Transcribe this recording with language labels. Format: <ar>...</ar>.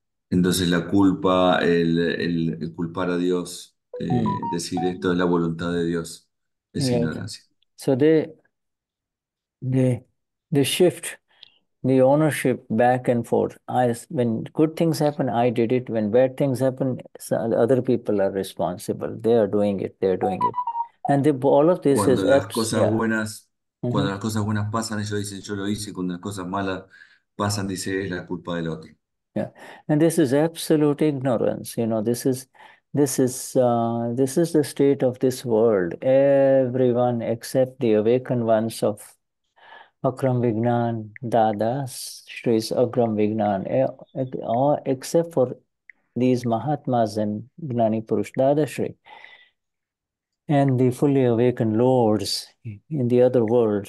<es>Entonces la culpa, el culpar a Dios, decir esto es la voluntad de Dios, es ignorancia.</es> <en>So they shift the ownership back and forth. When good things happen, I did it. When bad things happen, other people are responsible. They are doing it. They are doing it. And all of this</en> <es>cuando las cosas buenas, cuando las cosas buenas pasan, ellos dicen yo lo hice. Cuando las cosas malas pasan, dice es la culpa del otro.</es> <en>Yeah, and this is absolute ignorance. You know, this is the state of this world. Everyone except the awakened ones of Akram Vignan Dadas, Shri Akram Vignan, except for these Mahatmas and Gnani Purush Dadashri, and the fully awakened lords in the other world.</en>